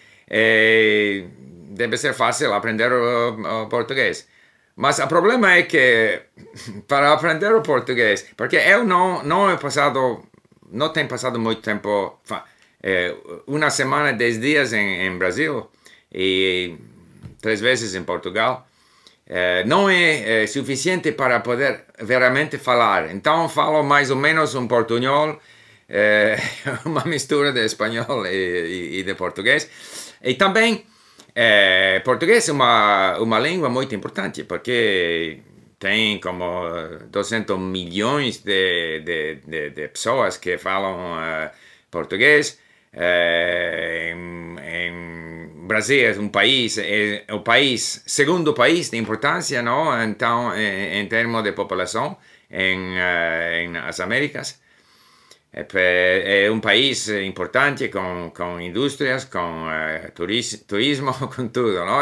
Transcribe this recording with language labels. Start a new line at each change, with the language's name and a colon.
Portuguese: E deve ser fácil aprender o português. Mas o problema é que para aprender o português, porque eu não tenho passado muito tempo...
Spanish: una semana, 10 días en Brasil y 3 veces en Portugal, no es suficiente para poder realmente hablar. Entonces, falo más o menos un portuñol, una mezcla de español y de portugués. Y también, portugués es una lengua muy importante porque tiene como 200 millones de personas que hablan portugués.
Portuguese: Em Brasil é o país segundo país de importância, não? Então, em termos de população em as Américas, é um país importante com indústrias, com turismo, com tudo, não?